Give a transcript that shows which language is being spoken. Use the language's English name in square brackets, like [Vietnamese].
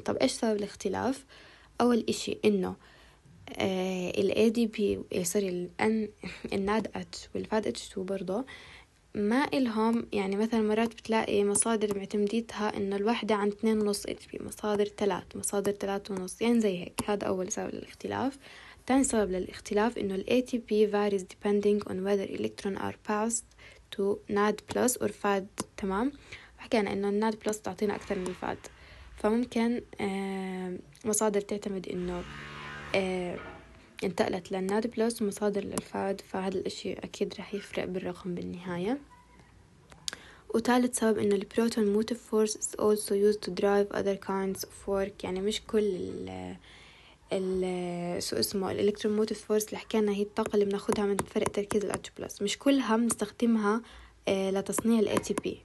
[Arabic] طب ايش سبب الاختلاف؟ اول اشي انه الـ ADP سوري الـ NAD H والـ FAD H2 برضو ما إلهم، يعني مثلا مرات بتلاقي مصادر معتمديتها انه الوحدة عن 2.5 ATP، مصادر 3، مصادر 3.5، يعني زي هيك. هذا اول سبب للاختلاف. ثاني سبب للاختلاف انه الـ [English] ATP varies depending on whether electron are passed to NAD plus or FAD. [Arabic] تمام، حكينا انه NAD plus تعطينا اكثر من FAD، فممكن مصادر تعتمد انه انتقلت للناد بلس ومصادر للفاد، فهذا الاشي اكيد رح يفرق بالرقم بالنهاية. وثالث سبب انه البروتون موتيف فورس [English] is also used to drive other kinds of work، [Arabic] يعني مش كل ال شو اسمه الالكترون موتيف فورس اللي حكينا هي الطاقة اللي بناخدها من فرق تركيز الاتش بلس، مش كلها بنستخدمها لتصنيع الاي تي بي.